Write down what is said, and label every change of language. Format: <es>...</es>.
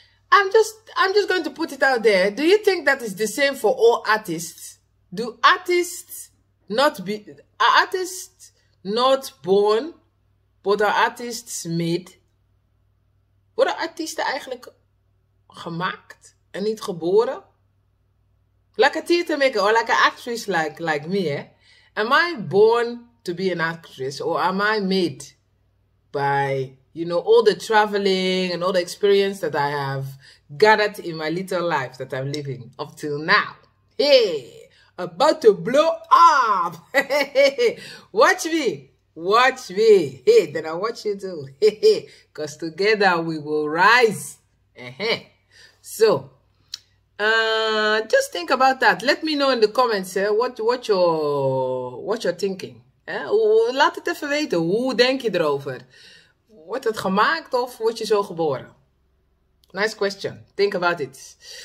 <en>I'm just going to put it out there. Do you think that is the same for all artists? Do artists not be are artists not born, but are artists made?</en> <nl>Worden artiesten eigenlijk gemaakt en niet geboren?</nl> <en>Like a theater maker or like an actress like me, eh? Am I born to be an actress or am I made by, all the traveling and all the experience that I have gathered in my little life that I'm living up till now? Hey, about to blow up. Watch me. Watch me. Hey, then I watch you too. Because together we will rise. Just think about that. Let me know in the comments, what you're thinking.</en> <nl>Laat het even weten. Hoe denk je erover? Wordt het gemaakt of word je zo geboren?</nl> <en>Nice question. Think about it.</en>